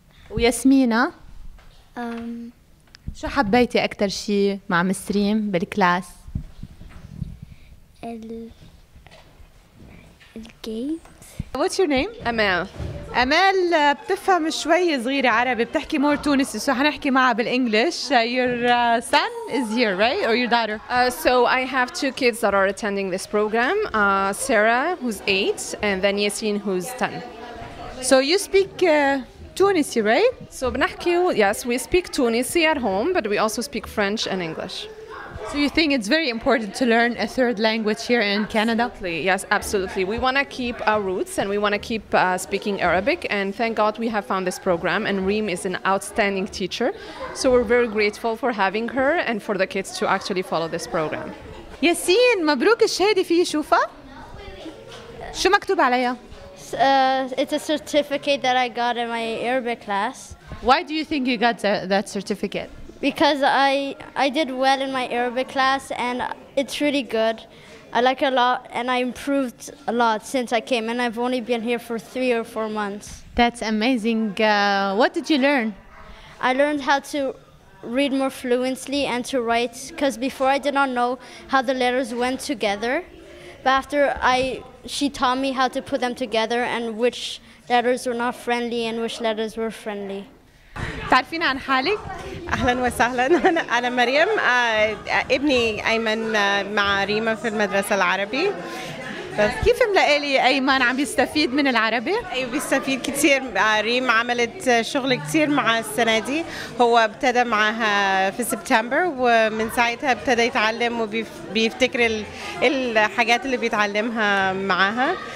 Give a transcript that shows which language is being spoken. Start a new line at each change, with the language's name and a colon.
Arabic: وياسمينة، شو حبيتي أكتر شيء مع مسريم بالكلاس؟ الجيمز.
English: What's your name؟
Arabic: أمال. أمال بتفهم شوي صغيرة عربي، بتحكي مور تونسي، سو هنحكي معها بالإنجليش.
English: Your son is here, right? Or your daughter? So I have two kids that are attending this program. Sarah, who's 8, and then Yasin, who's 10. So you speak Tunisia, right? So
Arabic: بنحكي,
English: yes, we speak Tunisia at home, but we also speak French and English. So you think it's very important to learn a third language here in Canada? Absolutely. Yes, absolutely. We want to keep our roots and we want to keep speaking Arabic. And thank God we have found this program. And Reem is an outstanding teacher. So we're very grateful for having her and for the kids to actually follow this program.
Arabic: Yasin, مبروك الشهادة في شوفة. شو مكتوب عليها؟
English: It's a certificate that I got in my Arabic class. Why do you think you got that certificate? Because I did well in my Arabic class and it's really good. I like it a lot and I improved a lot since I came and I've only been here for 3 or 4 months. That's amazing. What did you learn? I learned how to read more fluently and to write because before I did not know how the letters went together. But after she taught me how to put them together and which letters were not friendly and which letters were friendly.
Arabic: تعرفين عن حالك؟ اهلا وسهلا، انا مريم، ابني ايمن مع ريما في المدرسه العربي. بس كيف ملاقي ايمن عم يستفيد من العربي؟ ايوه بيستفيد كثير. ريم عملت شغل كثير مع السنه دي، هو ابتدى معها في سبتمبر ومن ساعتها ابتدى يتعلم وبيفتكر الحاجات اللي بيتعلمها معها.